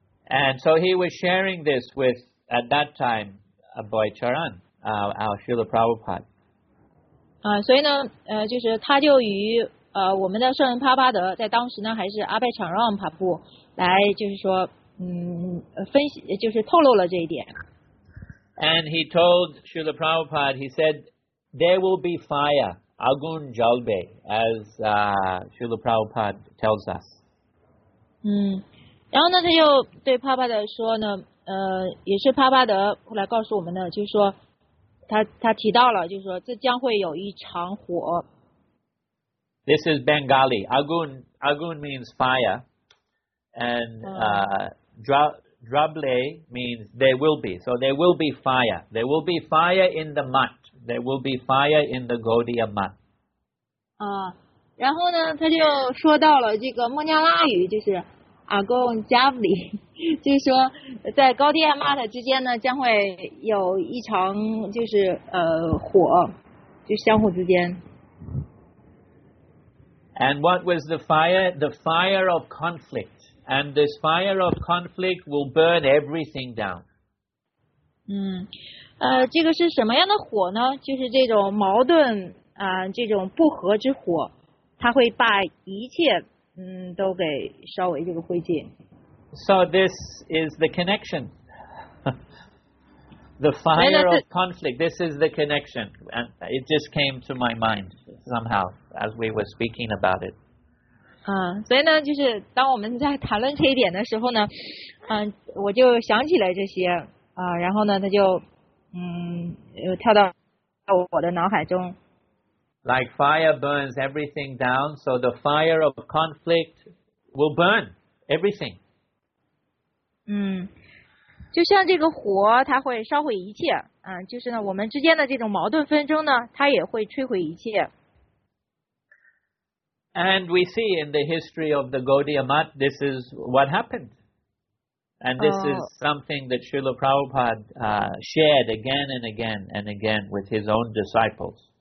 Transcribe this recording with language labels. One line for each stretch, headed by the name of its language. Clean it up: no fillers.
English: And so he was sharing this with at that time Abhaycharan, our Srila Prabhupada.
Chinese: 所以呢，就是他就与。我们的圣人帕巴德在当时呢，还是阿拜场让帕布来，就是说，分析，就是透露了这一点。
English: And he told Srila Prabhupada, he said, there will be fire,
Bangla: agun jalbe,
English: as Srila Prabhupada tells us.
Chinese: 然后呢，他就对帕巴德说呢，也是帕巴德后来告诉我们的，就是说，他提到了，就是说这将会有一场火。
English: This is Bengali. Agun means fire, and Drable means there will be. So there will be fire. There will be fire in the mud. There will be fire in the Gaudiya mud.
Chinese: 然后呢，他就说到了这个孟加拉语，就是
Bangla: Agun Javli，
Chinese: 就是说在高地和 mud 之间呢，将会有一场就是火，就相互之间。
English: And what was the fire? The fire of conflict. And this fire of conflict will burn everything down.
Chinese: 这个是什么样的火呢？就是这种矛盾啊、这种不和之火，它会把一切都给烧为这个灰烬。
English: So this is the connection. The fire of conflict. This is the connection. And it just came to my mind somehow as we were speaking about it.
Chinese: 所以呢，就是当我们在谈论这一点的时候呢，我就想起来这些然后呢，他就又跳到我的脑海中。
English: Like fire burns everything down, so the fire of conflict will burn everything.
Chinese: 就像这个火，它会烧毁一切，就是呢，我们之间的这种矛盾纷争呢，它也会摧毁一切。
English: And we see in the history of the Gaudiya Math, this is what happened. And this is something that Srila Prabhupada shared again and again and again with his own disciples.